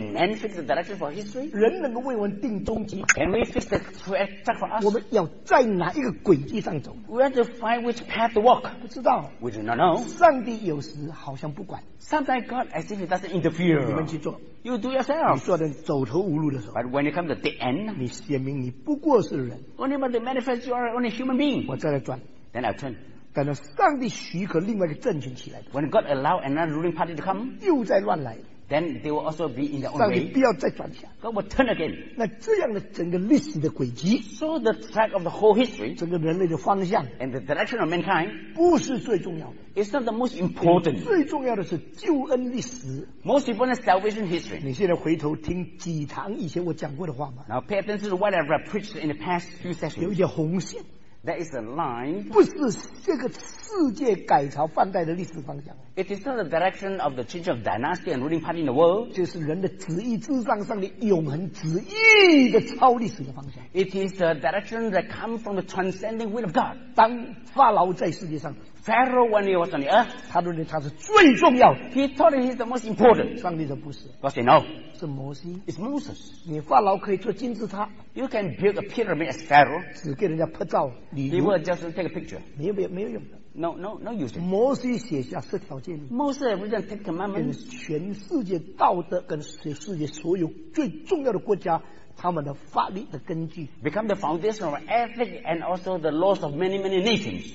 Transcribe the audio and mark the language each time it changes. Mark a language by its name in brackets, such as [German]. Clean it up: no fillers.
[English] Can man fix the direction for history? [Chinese] 人能够为我们定终极？ [English] Can we fix the track for us? [Chinese] 我们要在哪一个轨迹上走？ [English] We have to find which path to walk. [Chinese] 不知道。 [English] We do not know. [Chinese] 上帝有时好像不管。 [English] Sometimes God as if he doesn't interfere. [Chinese] 你们去做。 [English] You do yourself. [Chinese] 你做的走投无路的时候。 [English] But when it comes to the end, [Chinese] 你显明你不过是人。 [English] Only when they manifest you are only human being. [Chinese] 我再来转。 [English] Then I turn. [Chinese] 等到上帝许可另外一个政权起来。 [English] When God allow another ruling party to come, [Chinese] 又再乱来。 [English] Then they will also be in their own way. [Chinese] 上帝不要再转起来。 [English] God will turn again. [Chinese] 那这样的整个历史的轨迹。 [English] So the track of the whole history. [Chinese] 整个人类的方向。 [English] And the direction of mankind. [Chinese] 不是最重要的。 [English] It's not the most important. [Chinese] 最重要的是救恩历史。 [English] Most important is salvation history. [Chinese] 你现在回头听几堂以前我讲过的话吗？ [English] Now pay attention to what I've preached in the past few sessions. [Chinese] 有一些红线。 [English] That is the line. [Chinese] 不是这个世界改朝换代的历史方向。 [English] It is not the direction of the change of dynasty and ruling party in the world. [Chinese] 就是人的旨意至上上的永恒旨意的超历史的方向。 [English] It is the direction that comes from the transcending will of God. [Chinese] 当法老在世界上。 [English] Pharaoh when he was on the earth. [Chinese] 他认为他是最重要的。 [English] He thought he is the most important. [Chinese] 上帝的不是。 [English] God said no. [Chinese] 是摩西。 [English] It's Moses. [Chinese] 你法老可以做金字塔。 [English] You can build a pyramid as Pharaoh. [Chinese] 只给人家拍照。 [English] He will just take a picture. [Chinese] 没有用的。 [English] No use. [Chinese] 摩西写下十条诫命。 [English] Moses written Ten Commandments. [Chinese] 跟全世界道德跟世界所有最重要的国家他们的法律的根据。 [English] Become the foundation of ethic and also the laws of many many nations.